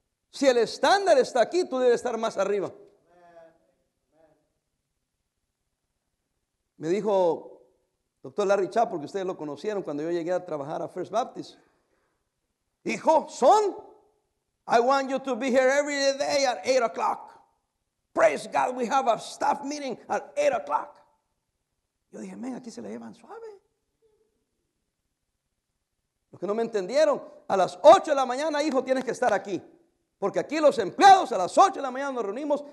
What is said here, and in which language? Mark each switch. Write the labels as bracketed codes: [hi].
[es] Si el estándar está aquí, tú debes estar más arriba. Me dijo doctor Larry Chapp, porque ustedes lo conocieron cuando yo llegué a trabajar a First Baptist. Hijo, [en] son, I want you to be here every day at 8 o'clock. Praise God, we have a staff meeting at 8 o'clock. [es] Yo dije, men, aquí se la llevan suave. Los que no me entendieron, a las 8 de la mañana, hijo, tienes que estar aquí. Porque aquí los empleados a las 8 de la mañana nos reunimos.